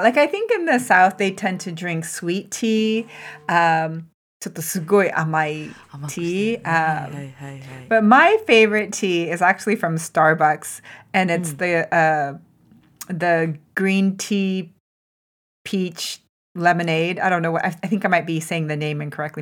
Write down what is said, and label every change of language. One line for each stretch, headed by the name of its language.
English: Like I think in the South they tend to drink sweet tea.
Japanese: ちょっとすごい甘い tea. 甘くしてるね。
English: But my favorite tea is actually from Starbucks. And it's the green tea peach lemonade. I don't know. I think I might be saying the name incorrectly.